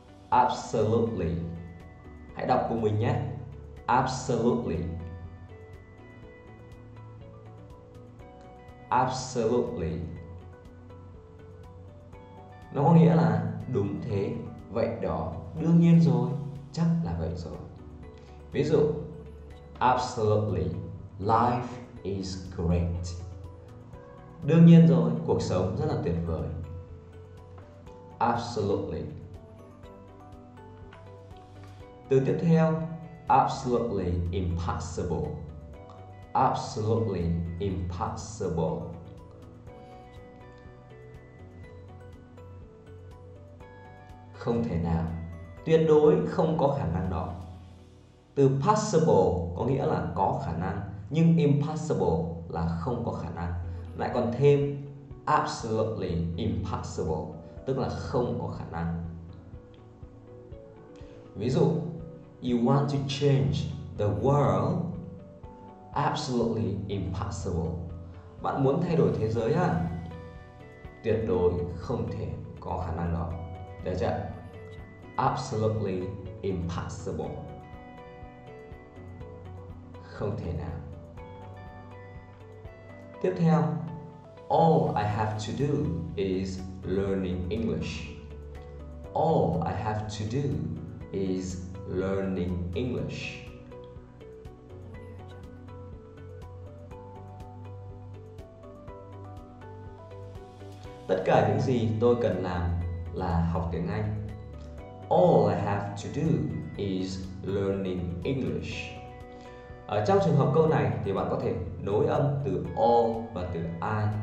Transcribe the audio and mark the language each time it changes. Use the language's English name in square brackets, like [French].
[Vietnamese] Absolutely. Hãy đọc cùng mình nhé. Absolutely. [English] Absolutely. [Vietnamese] Nó có nghĩa là đúng thế, vậy đó, đương nhiên rồi, chắc là vậy rồi. Ví dụ, [English] absolutely, life is great. [Vietnamese] Đương nhiên rồi, cuộc sống rất là tuyệt vời. [English] Absolutely. [Vietnamese] Từ tiếp theo, absolutely impossible. [English] Absolutely impossible. [Vietnamese] Không thể nào, tuyệt đối không có khả năng đó. Từ possible có nghĩa là có khả năng, nhưng impossible là không có khả năng. Lại còn thêm absolutely impossible, tức là không có khả năng. Ví dụ, [English] you want to change the world? Absolutely impossible. [Vietnamese] Bạn muốn thay đổi thế giới á? Tuyệt đối không thể có khả năng đó. Được chưa? [English] Absolutely impossible. [Vietnamese] Không thể nào. Tiếp theo, [English] all I have to do is learning English. All I have to do is learning English. [Vietnamese] Tất cả những gì tôi cần làm là học tiếng Anh. [English] All I have to do is learning English. [Vietnamese] Ở trong trường hợp câu này thì bạn có thể nối âm từ all và từ I.